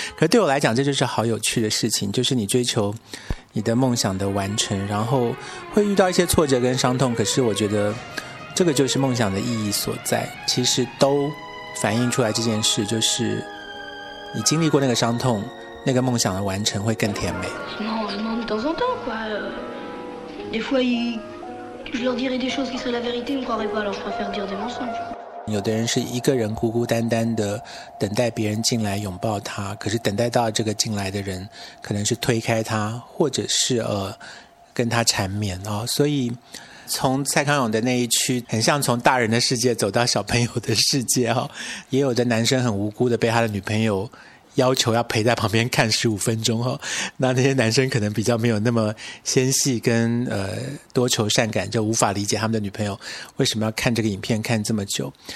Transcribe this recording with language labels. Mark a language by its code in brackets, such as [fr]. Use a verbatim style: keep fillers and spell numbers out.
[zh] 可对我来讲，这就是好有趣的事情，就是你追求你的梦想的完成，然后会遇到一些挫折跟伤痛，可是我觉得这个就是梦想的意义所在。其实都反映出来这件事，就是你经历过那个伤痛，那个梦想的完成会更甜美。 [fr] Non, je m'en dis dans un temps, quoi. Des fois, je leur dirais des choses qui seraient la vérité, ils me croiraient pas, alors je préfère dire des mensonges. [zh] 有的人是一个人孤孤单单的等待别人进来拥抱他，可是等待到这个进来的人，可能是推开他，或者是呃跟他缠绵啊、哦，所以。从蔡康永的那一区，很像从大人的世界走到小朋友的世界、哦、也有的男生很无辜的被他的女朋友要求要陪在旁边看十五分钟、哦、那那些男生可能比较没有那么纤细跟呃多愁善感，就无法理解他们的女朋友为什么要看这个影片看这么久。